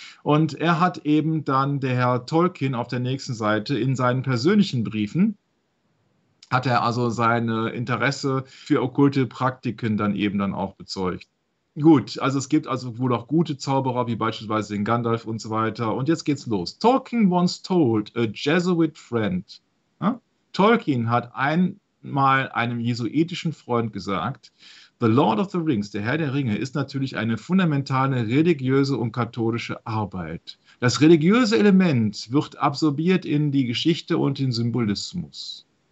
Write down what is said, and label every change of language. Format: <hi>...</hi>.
<de>Und er hat eben dann der Herr Tolkien auf der nächsten Seite in seinen persönlichen Briefen, hat er also sein Interesse für okkulte Praktiken dann eben dann auch bezeugt. Gut, also es gibt also wohl auch gute Zauberer, wie beispielsweise den Gandalf und so weiter. Und jetzt geht's los.</de> <en>Tolkien once told a Jesuit friend.</en> <de>Ja? Tolkien hat einmal einem jesuitischen Freund gesagt, The Lord of the Rings, der Herr der Ringe, ist natürlich eine fundamentale religiöse und katholische Arbeit. Das religiöse Element wird absorbiert in die Geschichte und den Symbolismus.</de>